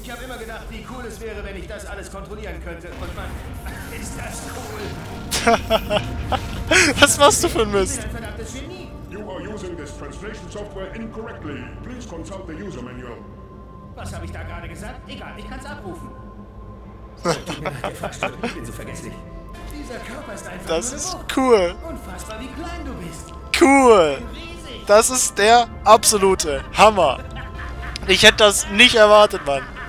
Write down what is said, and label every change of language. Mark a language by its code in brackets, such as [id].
[de] Ich habe immer gedacht, wie cool es wäre, wenn ich das alles kontrollieren könnte. Und man, ist das cool. Was machst du für ein Mist? [en] You are using this translation software incorrectly. Please consult the user manual. [de] Was habe ich da gerade gesagt? Egal, ich kann es abrufen. Ich bin so vergesslich. Dieser Körper ist einfach. Das ist cool. Unfassbar, wie klein du bist. Cool. Das ist der absolute Hammer. Ich hätte das nicht erwartet, Mann.